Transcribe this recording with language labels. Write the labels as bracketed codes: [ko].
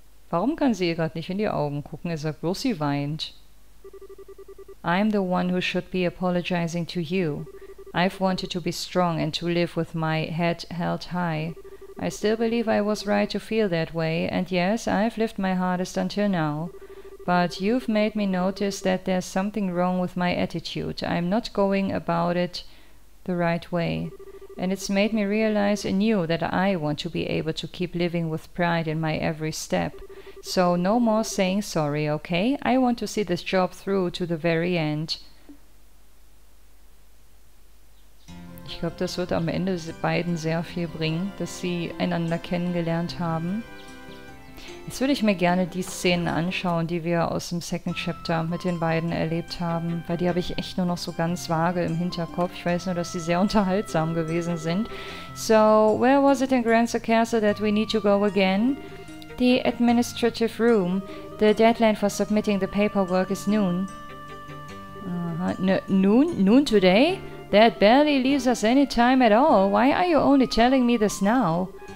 [de] Warum kann sie ihr gerade nicht in die Augen gucken? Er sagt bloß, sie weint. [en] I'm the one who should be apologizing to you. I've wanted to be strong and to live with my head held high. I still believe I was right to feel that way, and yes, I've lived my hardest until now. But you've made me notice that there's something wrong with my attitude. I'm not going about it the right way. And it's made me realize anew that I want to be able to keep living with pride in my every step. So no more saying sorry, okay? I want to see this job through to the very end. [de] Ich glaube, das wird am Ende beiden sehr viel bringen, dass sie einander kennengelernt haben. Jetzt würde ich mir gerne die Szenen anschauen, die wir aus dem Second Chapter mit den beiden erlebt haben, weil die habe ich echt nur noch so ganz vage im Hinterkopf. Ich weiß nur, dass sie sehr unterhaltsam gewesen sind. [en] So, where was it in Grancer Castle that we need to go again? The administrative room. The deadline for submitting the paperwork is noon. Noon? Noon today? That barely leaves us any time at all. Why are you only telling me this now?